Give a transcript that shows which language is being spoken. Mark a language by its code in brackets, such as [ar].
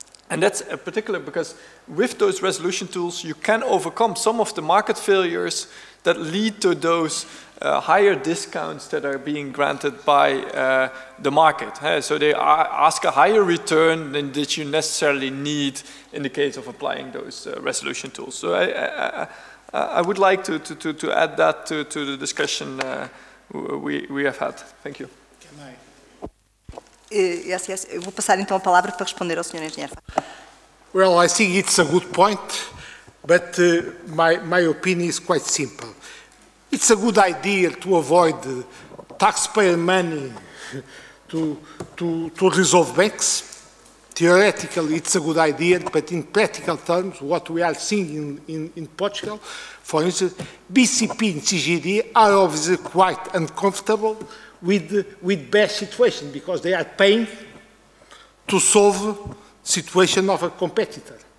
[en] And that's particular because with those resolution tools, you can overcome some of the market failures that lead to those higher discounts that are being granted by the market. So they ask a higher return than that you necessarily need in the case of applying those resolution tools. So I would like to add that to the discussion we have had. Thank you. [pt] Eu vou passar então a palavra para responder ao Sr. Engenheiro. [en] Well, I think it's a good point, but my opinion is quite simple. It's a good idea to avoid taxpayer money to resolve banks. Theoretically, it's a good idea, but in practical terms, what we are seeing in Portugal, for instance, BCP and CGD are obviously quite uncomfortable with bad situation because they are paying to solve situation of a competitor.